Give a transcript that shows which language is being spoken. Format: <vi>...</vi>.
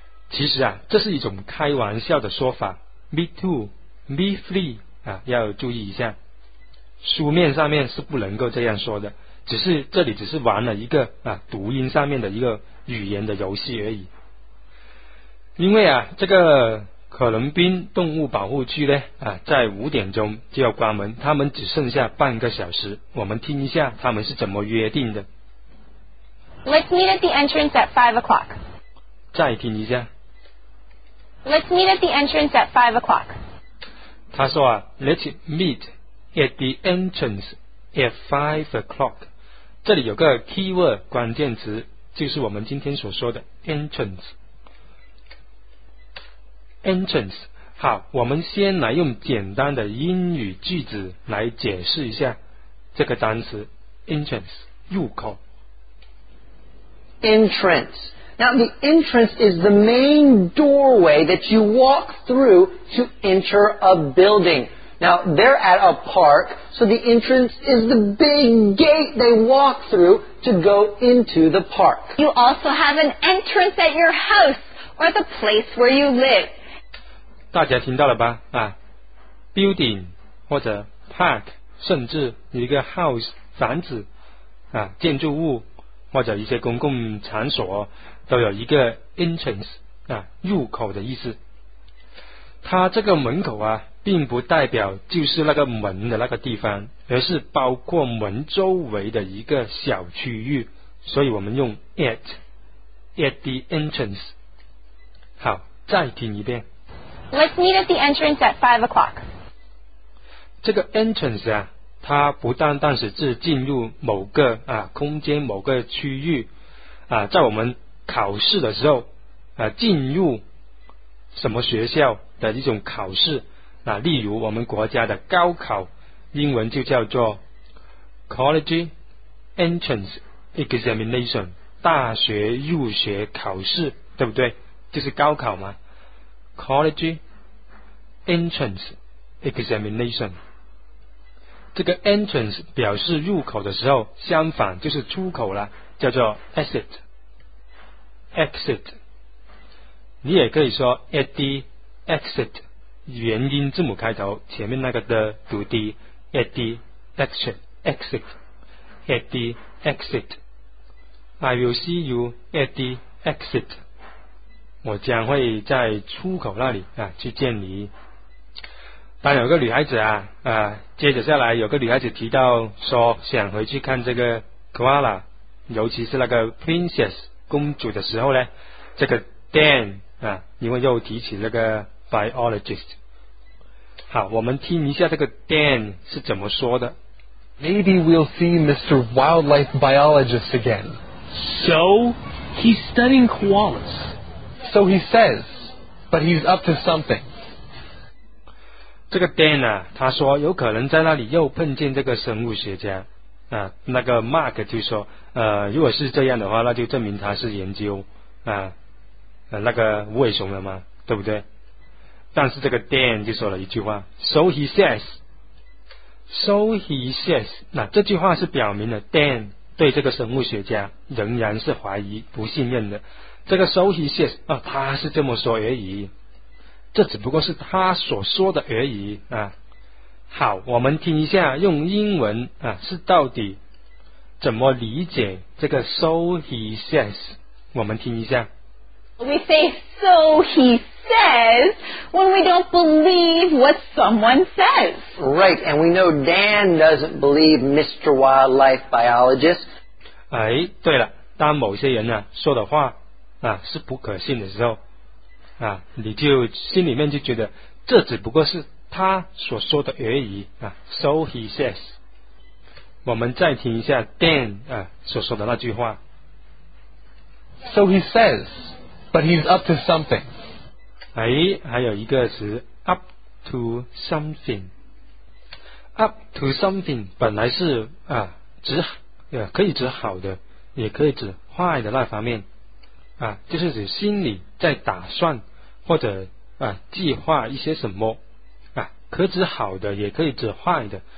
<zh>其实啊，这是一种开玩笑的说法，</zh> <en>me too， me three</en> <zh>啊，要注意一下，书面上面是不能够这样说的，只是这里只是玩了一个啊读音上面的一个语言的游戏而已。因为啊，这个可能宾动物保护区呢啊，在五点钟就要关门，他们只剩下半个小时。我们听一下他们是怎么约定的。</zh> <en>Let's meet at the entrance at 5 o'clock.</en> <zh>再听一下。</zh> <en>Let's meet at the entrance at 5 o'clock.</en> <zh>他说啊</zh> <en>，Let's meet at the entrance at 5 o'clock.</en> <zh>这里有个 keyword 关键词，就是我们今天所说的 entrance。 Entrance， 好，我们先来用简单的英语句子来解释一下这个单词 entrance， 入口。</zh> <en>Entrance. Now the entrance is the main doorway that you walk through to enter a building. Now they're at a park, so the entrance is the big gate they walk through to go into the park. You also have an entrance at your house or the place where you live.</en> <zh>大家听到了吧啊 building 或者 park 甚至一个 house 房子啊建筑物或者一些公共场所都有一个 entrance 啊入口的意思。它这个门口啊并不代表就是那个门的那个地方，而是包括门周围的一个小区域，所以我们用</zh> <en>at the entrance。</en> <zh>好，再听一遍。</zh> <en>Let's meet at the entrance at 5 o'clock.</en> <zh>这个 entrance 啊，它不单单是指进入某个啊空间、某个区域啊，在我们考试的时候啊，进入什么学校的一种考试啊，例如我们国家的高考，英文就叫做</zh> <en>college entrance examination，</en> <zh>大学入学考试，对不对？就是高考嘛。</zh> <en>College entrance examination，</en> <zh>这个 entrance 表示入口的时候，相反就是出口了，叫做 exit。 exit， 你也可以说</zh> <en>at the exit，</en> <zh>元音字母开头，前面那个的读 d， at the exit， exit， at the exit。</zh> <en>I will see you at the exit。</en> <zh>我将会在出口那里啊去见你。当然有个女孩子啊啊，接着下来有个女孩子提到说想回去看这个 koala， 尤其是那个 princess 公主的时候呢，这个 Dan 啊，因为又提起那个 biologist。好，我们听一下这个 Dan 是怎么说的。</zh> <en>Maybe we'll see Mr. Wildlife Biologist again. So he's studying koalas. So he says, but he's up to something.</en> <zh>这个 Dan 啊，他说有可能在那里又碰见这个生物学家啊。那个 Mark 就说，如果是这样的话，那就证明他是研究啊，那个无尾熊了嘛，对不对？但是这个 Dan 就说了一句话 ，</zh> <en>So he says. So he says.</en> <zh>那这句话是表明了 Dan 对这个生物学家仍然是怀疑、不信任的。这个</zh> <en>so he says</en> <zh>啊，他是这么说而已，这只不过是他所说的而已啊。好，我们听一下用英文啊，是到底怎么理解这个</zh> <en>so he says？</en> <zh>我们听一下。</zh> <en>We say so he says when we don't believe what someone says. Right, and we know Dan doesn't believe Mr. Wildlife Biologist.</en> <zh>哎，对了，当某些人呢、啊、说的话。啊，是不可信的时候，啊，你就心里面就觉得这只不过是他所说的而已啊。</zh> <en>So he says，</en> <zh>我们再听一下 Dan 啊所说的那句话。</zh> <en>So he says， but he's up to something。</en> <zh>哎，还有一个词</zh> <en>up to something。 up to something</en> <zh>本来是啊指啊可以指好的，也可以指坏的那方面。啊，就是指心里在打算或者啊计划一些什么啊，可指好的也可以指坏的。</zh>